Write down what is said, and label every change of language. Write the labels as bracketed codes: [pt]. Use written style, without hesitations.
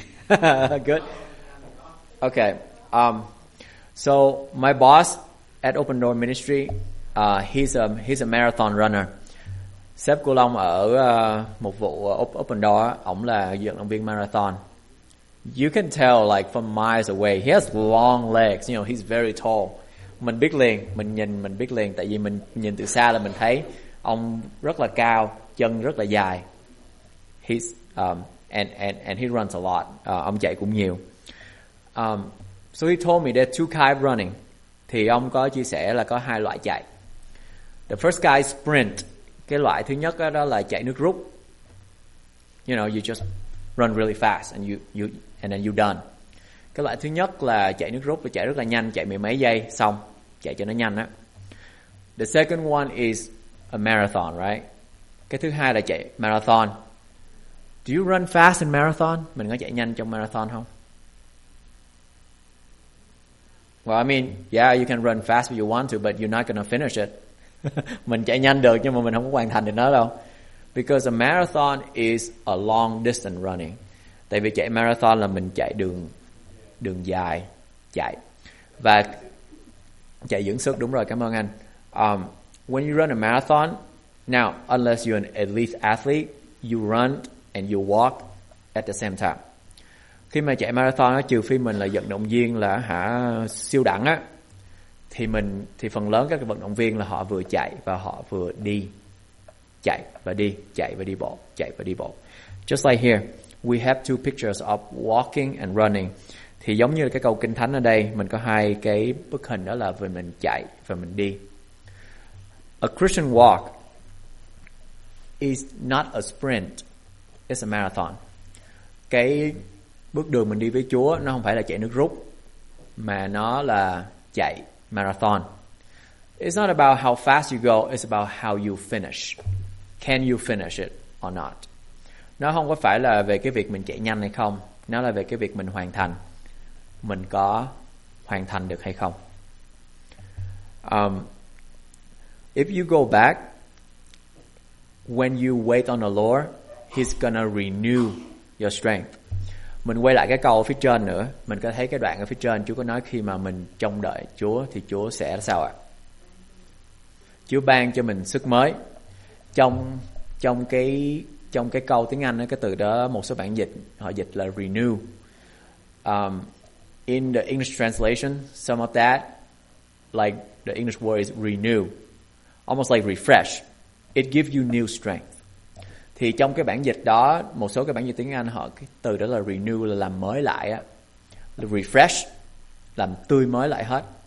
[en] Good. Okay. So my boss at Open Door Ministry, he's a marathon runner. [vi] Sếp của Long ở một vụ Open Door, ổng là vận động viên marathon. [en] You can tell like from miles away. He has long legs, you know, he's very tall. [vi] Mình biết liền, mình biết liền tại vì mình nhìn từ xa là mình thấy ông rất là cao, chân rất là dài. [en] He's and he runs a lot. [vi] Ông chạy cũng nhiều. [en] So he told me there are two kinds of running. [vi] Thì ông có chia sẻ là có hai loại chạy. [en] The first guy sprint. [vi] Cái loại thứ nhất đó là chạy nước rút. [en] You know, you just run really fast and you're done. [vi] Cái loại thứ nhất là chạy nước rút, là chạy rất là nhanh, chạy mười mấy giây xong, chạy cho nó nhanh á. [en] The second one is a marathon, right? [vi] Cái thứ hai là chạy marathon. [en] Do you run fast in marathon? [vi] Mình có chạy nhanh trong marathon không? [en] Well, I mean, yeah, you can run fast if you want to, but you're not going to finish it. [vi] Mình chạy nhanh được nhưng mà mình không có hoàn thành được nó đâu. [en] Because a marathon is a long distance running. [vi] Tại vì chạy marathon là mình chạy đường dài chạy. Và chạy dưỡng sức, đúng rồi, cảm ơn anh. [en] When you run a marathon, now, unless you're an elite athlete, you run and you walk at the same time. [vi] Khi mà chạy marathon, trừ phi mình là vận động viên là hả siêu đẳng á, thì phần lớn các vận động viên là họ vừa chạy và họ vừa đi. Chạy và đi, chạy và đi bộ, chạy và đi bộ. [en] Just like here, we have two pictures of walking and running. [vi] Thì giống như cái câu kinh thánh ở đây, mình có hai cái bức hình đó là về mình chạy và mình đi. [en] A Christian walk is not a sprint, it's a marathon. [vi] Cái bước đường mình đi với Chúa nó không phải là chạy nước rút, mà nó là chạy marathon. [en] It's not about how fast you go, it's about how you finish. Can you finish it or not? [vi] Nó không có phải là về cái việc mình chạy nhanh hay không, nó là về cái việc mình hoàn thành. Mình có hoàn thành được hay không? [en] If you go back, when you wait on the Lord, He's gonna renew your strength. [vi] Mình quay lại cái câu ở phía trên nữa, mình có thấy cái đoạn ở phía trên Chúa có nói khi mà mình trông đợi Chúa thì Chúa sẽ sao ạ? Chúa ban cho mình sức mới. Trong cái câu tiếng Anh ấy, cái từ đó một số bản dịch họ dịch là renew. [en] In the English translation, some of that, like the English word is renew, almost like refresh. It gives you new strength. [vi] Thì trong cái bản dịch đó, một số cái bản dịch tiếng Anh họ cái từ đó là renew, là làm mới lại á, là refresh, làm tươi mới lại hết.